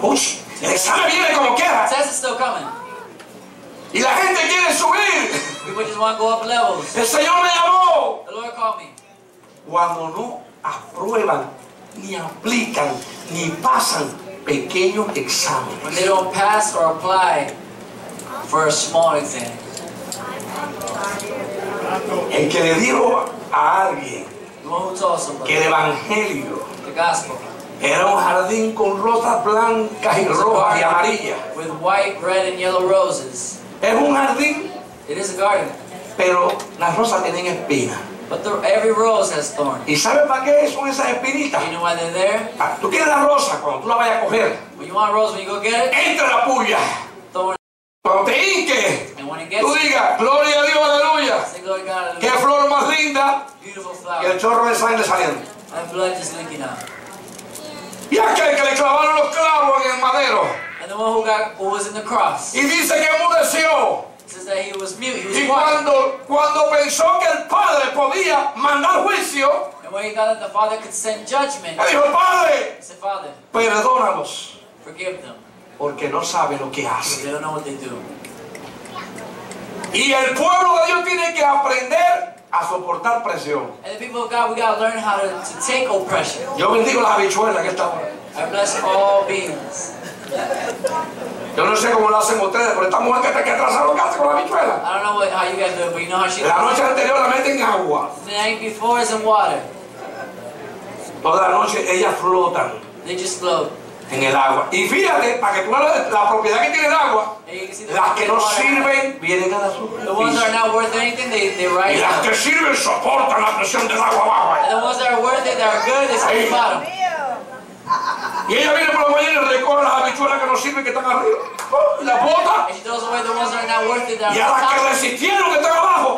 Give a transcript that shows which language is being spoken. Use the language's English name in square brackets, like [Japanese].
[Spanish] Uy, el examen viene como quiera. [English] The test is still coming. [Spanish] Y la gente quiere subir. [English] People just want to go up levels. [Spanish] El Señor me llamó. [English] The Lord called me. [Spanish] Cuando no aprueban, ni aplican, ni pasan pequeños exámenes. [English] When they don't pass or apply for a small exam. [Spanish] El que le dijo a alguien, [English] the one who told somebody, [Spanish] que el evangelio, [English] the gospel, [Spanish] era un jardín con rosas blancas y rojas y amarillas, [English] with white, red and yellow roses. [Spanish] Es un jardín. [English] It is a garden. [Spanish] Pero las rosas tienen espinas. [English] But every rose has thorns. [Spanish] ¿Y sabes para qué son esas espinitas? [English] You know why they're there? [Spanish] Tú quieres la rosa cuando tú la vayas a coger. [English] When you want a rose, when you go get it, [Spanish] entra la puya. [English] Thorn. [Spanish] Cuando te hinque, tú digas, gloria a Dios, aleluya. Qué flor más linda. Y el chorro de sangre saliendo. [English] And blood just leaking out. [Spanish] Y aquel que le clavaron los clavos en el madero. [English] And the one who was in the cross. [Spanish] Y dice que enmudeció. [English] Says that he was mute. He was [Spanish] y cuando pensó que el Padre podía mandar juicio. [English] And when he thought that the Father could send judgment. [Spanish] Él dijo, Padre. [English] He said, Father. [Spanish] Perdónalos. [English] Forgive them. [Spanish] Porque no sabe lo que hace. [English] They don't know what they do. [Spanish] Y el pueblo de Dios tiene que aprender a soportar presión. [English] And the people of God, we gotta learn how to take oppression. [Spanish] Yo bendigo las habichuelas que están. [English] I bless all beans. [Spanish] Yo no sé cómo lo hacen ustedes, pero esta mujer que está aquí atrás, ¿lo que hace con la habichuela? [English] I don't know how you guys do it, but you know how she does. [Spanish] La noche anterior la meten en agua. [English] The night before is in water. [Spanish] Toda la noche ellas flotan. [English] They just float. [Spanish] En el agua. Y fíjate, para que tú veas la propiedad que tiene el agua, las que no sirven vienen a la superficie. [English] The ones that are not worth anything, they rise. [Spanish] Y las que sirven soportan la presión del agua abajo. [English] And the ones that are worth it, that are good, they stay at the bottom. [Spanish] Y ella viene por la mañana y recoge las habichuelas que no sirven que están arriba. Y las bota. Y a las que resistieron que están abajo.